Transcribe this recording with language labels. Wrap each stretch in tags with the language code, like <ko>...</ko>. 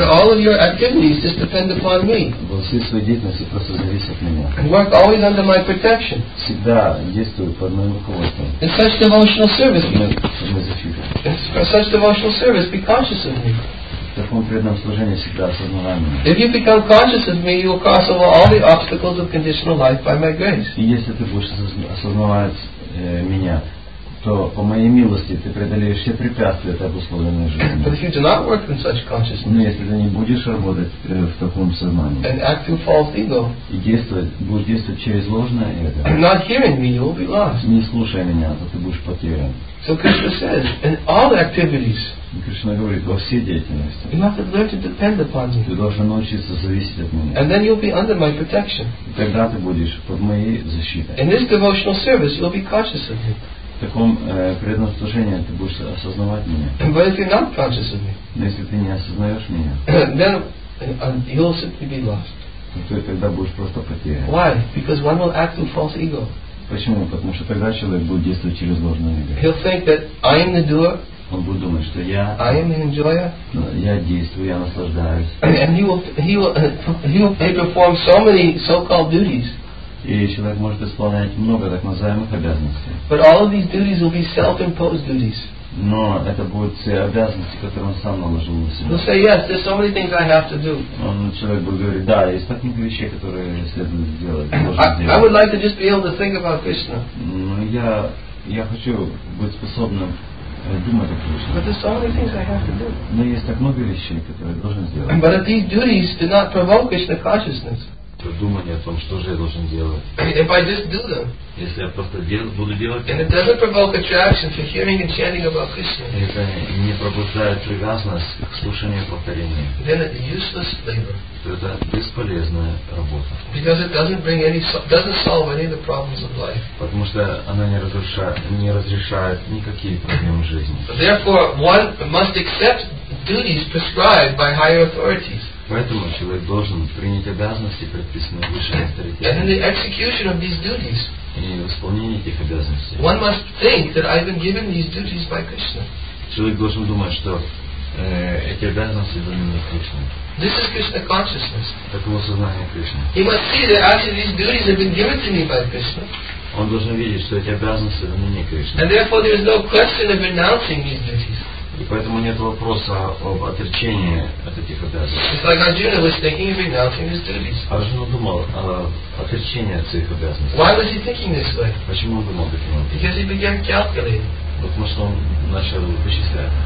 <en>all of your activities, just depend upon me.</en> <ru>Во всей своей деятельности просто зависит от меня.</ru> <en>Work always under my protection.</en> <ru>Всегда действую под моим руководством.</ru> <en>In such devotional service. Be conscious of me.</en> <ru>В таком преданном служении всегда осознавай меня.</ru> <en>If you become conscious of me, you will cross over all the obstacles of conditional life by my grace.</en> <ru>И если ты будешь осознавать меня, то по моей милости ты преодолеешь все препятствия этой обусловленной жизни.</ru> <en>But if you do not work in such consciousness,</en> <ru>но если ты не будешь работать в таком сознании,</ru> <en>and act through false ego,</en> <ru>и будешь действовать через ложное эго,</ru> <en>and not hearing me, you will be lost.</en> <ru>Не слушая меня, то ты будешь потерян.</ru> <en>So Krishna says, in all activities.</en> <ru>Кришна говорит, во всей деятельности.</ru> <en>You have to learn to depend upon me.</en> <ru>Ты должен научиться зависеть от меня.</ru> <en>And then you'll be under my protection.</en> <ru>И тогда ты будешь под моей защитой.</ru> <en>In this devotional service, you'll be conscious of me.</en> <ru>В таком преданном служении ты будешь осознавать меня.</ru> <en>But if you're not conscious of me,</en> <ru>но если ты не осознаешь меня,</ru> <en>then you'll simply be lost.</en> <ru>То ты тогда будешь просто потерян.</ru> <en>Why? Because one will act through false ego.</en> <ru>Почему? Потому что тогда человек будет действовать через ложное эго.</ru> <en>He'll think that I am the doer.</en> <ru>Он будет думать, что я.</ru> <en>I am the enjoyer.</en> <ru>Я действую, я наслаждаюсь.</ru> <en>And he will perform so many so-called duties.</en> <ru>И человек может исполнять много так называемых обязанностей.</ru> <en>But all of these duties will be self-imposed duties.</en> <ru>Но это будут все обязанности, которые он сам наложил на себя.</ru> <en>He'll say, yes, there's so many things I have to do.</en> <ru>Он человек будет говорить, да, есть так много вещей, которые следует сделать.</ru> <en>I would like to just be able to think about Krishna.</en> <ru>Но я хочу быть способным.</ru> <en>But there's so many things I have to do.</en> <ru>Но есть так много вещей, которые я должен сделать.</ru> <en>But if these duties do not provoke Krishna consciousness.</en> <ru>То думание о том, что же я должен делать.</ru> <en>If I just do them.</en> <ru>Если я просто буду делать.</ru> <en>And it doesn't provoke attraction for hearing and chanting about Krishna.</en> <ru>Это не пробуждает привязанность к слушанию и повторению.</ru> <en>Then it's useless labor.</en> <ru>То это бесполезная работа.</ru> <en>Because it doesn't solve any of the problems of life.</en> <ru>Потому что она не разрешает никакие проблемы жизни.</ru> <en>Therefore, one must accept duties prescribed by higher authorities.</en> <ru>Поэтому человек должен принять обязанности, предписанные высшими авторитетами.</ru> <en>And in the execution of these duties,</en> <ru>и в исполнении этих обязанностей,</ru> <en>one must think that I've been given these duties by Krishna.</en> <ru>Человек должен думать, что эти обязанности даны мне Кришной.</ru> <en>This is Krishna consciousness.</en> <ru>Таково сознание Кришны.</ru> <en>He must see that actually these duties have been given to me by Krishna.</en> <ru>Он должен видеть, что эти обязанности даны мне Кришной.</ru> <en>And therefore there is no question of renouncing these duties.</en> <ru>И поэтому нет вопроса об отречении от этих обязанностей.</ru> <en>Like Arjuna was thinking of renouncing his duties.</en> <ru>Арджуна думал о отречении от своих обязанностей.</ru> <en>Why was he thinking this way?</en> <ru>Почему он думал таким образом?</ru> <en>Because he began calculating.</en> <ru>Потому что он начал вычислять.</ru>